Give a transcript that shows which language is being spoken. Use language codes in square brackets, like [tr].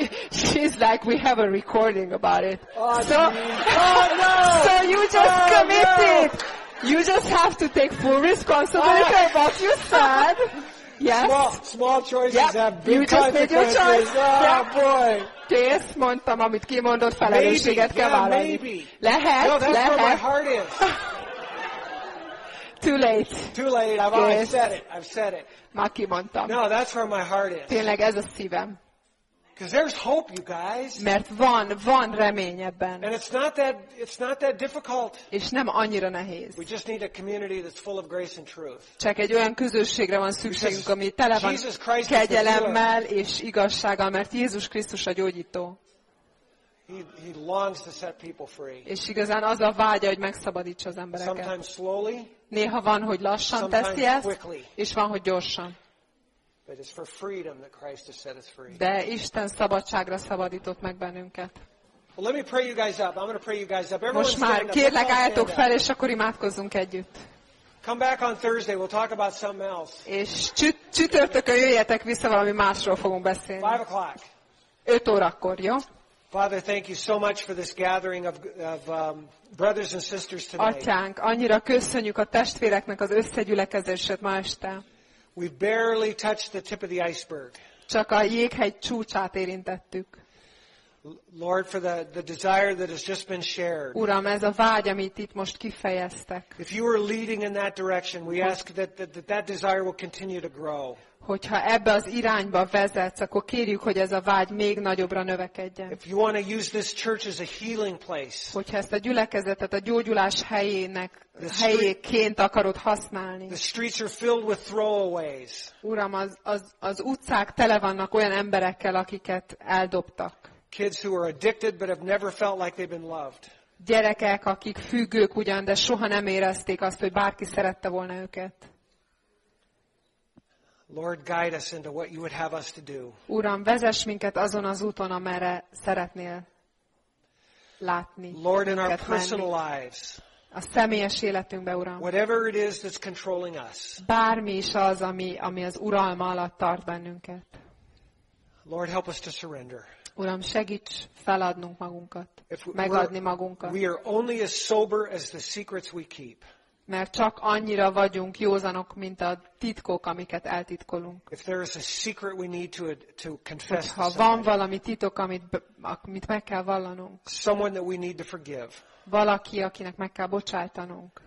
[en] She's like, we have a recording about it. So you just committed. No. You just have to take full responsibility for what you said. Yes. Small choices yep. have big you just made your choice. Oh, yep. Boy. [hu] Kész, mondtam, amit kimondott, felelősséget kell vállalni. [en] Maybe. [hu] Lehet. [en] No, that's [hu] lehet. [en] Where my heart is. Too late. I've said it. [hu] Már kimondtam. [en] No, that's where my heart is. [hu] Tényleg ez a szívem. [en] Because there's hope, you guys. [hu] Mert van remény ebben. [en] And it's not that difficult. [hu] És nem annyira nehéz. [en] We just need a community that's full of grace and truth. [hu] Csak egy olyan közösségre van szükségünk, ami tele van kegyelemmel és igazsággal, mert Jézus Krisztus a gyógyító. [en] He longs to set people free. [hu] És igazán az a vágya, hogy megszabadítsa az embereket. [en] Sometimes slowly. [hu] Néha van, hogy lassan teszi ezt, [en] quickly. [hu] És van, hogy gyorsan. [en] But it's for freedom that Christ has set us free. [hu] De Isten szabadságra szabadított meg bennünket. [en] Well, let me pray you guys up. I'm going to pray you guys up. Everyone's [hu] Most már kérlek álljatok fel, és akkor imádkozzunk együtt. [en] Come back on Thursday. We'll talk about something else. [hu] És csütörtökön jöjjetek vissza, valami másról fogunk beszélni. [en] 5 o'clock. [hu] 5 órakor, jó? [en] Father, thank you so much for this gathering of brothers and sisters today. [hu] Atyánk, annyira köszönjük a testvéreknek az összegyűlökezését ma este. [en] We barely touched the tip of the iceberg. [hu] Csak a jéghegy csúcsát érintettük. [en] Lord, for the desire that has just been shared. [hu] Uram, ez a vágy, amit itt most kifejeztek. [en] If you are leading in that direction, we ask that desire will continue to grow. [hu] Hogyha ebbe az irányba vezetsz, akkor kérjük, hogy ez a vágy még nagyobbra növekedjen. [en] If you want to use this church as a healing place, [hu] hogyha ezt a gyülekezetet a gyógyulás helyének helyéként akarod használni. [en] The streets are filled with throwaways. [hu] Uram, az utcák tele vannak olyan emberekkel, akiket eldobtak. [en] Kids who are addicted but have never felt like they've been loved. [hu] Gyerekek, akik függők ugyan, de soha nem érezték azt, hogy bárki szerette volna őket. [en] Lord, guide us into what you would have us to do. [hu] Uram, vezess minket azon az úton, amerre szeretnél látni. [en] Lord, in our personal lives. [hu] A személyes életünkbe, Uram. [en] Whatever it is that's controlling us. [hu] Bármi is az, ami az uralma alatt tart bennünket. [en] Lord, help us to surrender. [hu] Uram, segíts feladnunk magunkat, megadni magunkat. [en] We are only as sober as the secrets we keep. [hu] Mert csak annyira vagyunk józanok, mint a titkok, amiket eltitkolunk. [en] If there is a secret we need to confess. [hu] Ha van valami titok, amit meg kell vallanunk. [en] Someone that we need to forgive. [hu] Valaki, akinek meg kell bocsájtanunk.